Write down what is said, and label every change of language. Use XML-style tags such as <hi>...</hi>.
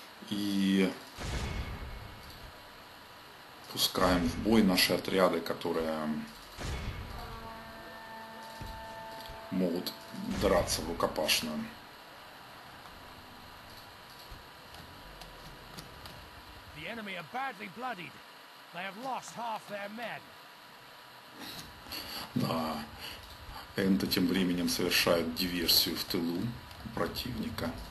<ru>И пускаем в бой наши отряды, которые могут драться в рукопашную.</ru> <en>The enemy are badly bloodied. They have lost half their men.</en> <ru>Да, энты тем временем совершают диверсию в тылу противника.</ru>